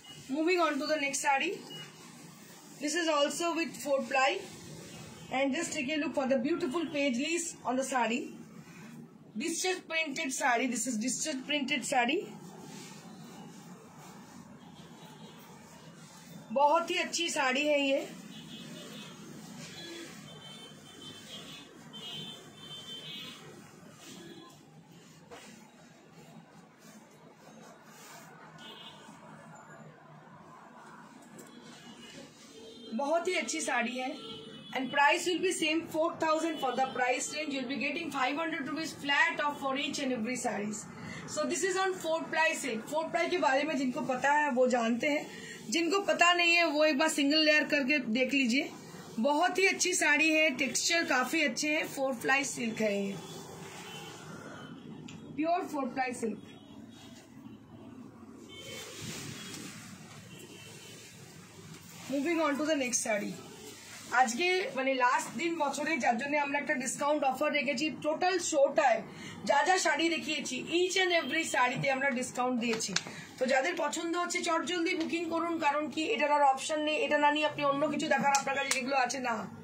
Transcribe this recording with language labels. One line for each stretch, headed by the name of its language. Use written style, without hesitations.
English: Moving on to the next sari. This is also with 4-ply. And just take a look for the beautiful pageleys on the sari. Distressed printed sari. This is distressed printed sari.
Hindi: बहुत ही अच्छी साड़ी है ये. बहुत ही अच्छी साड़ी है.
English: And price will be same 4,000 for the price range. You'll be getting 500 rupees flat off for each and every sarees. So this is on 4-ply silk.
Hindi: 4-ply के बारे में जिनको पता है वो जानते हैं. जिनको पता नहीं है वो एक बार सिंगल लेयर करके देख लीजिए. बहुत ही अच्छी साड़ी है. टेक्सचर काफी अच्छे हैं. 4-ply silk है ये. Pure 4-ply silk.
English: Moving on to the next saree.
Bangla: আজকে মানে লাস্ট দিন বছরে যার জন্য আমরা একটা ডিসকাউন্ট অফার রেখেছি টোটাল শোটায় যা যা শাড়ি দেখিয়েছি
English: each and every
Bangla: শাড়িতে আমরা ডিসকাউন্ট দিয়েছি তো যাদের পছন্দ হচ্ছে চট জলদি বুকিং করুন কারণ কি এটার আর অপশন নেই এটা না নিয়ে আপনি অন্য কিছু দেখার আপনার কাছে যেগুলো আছে না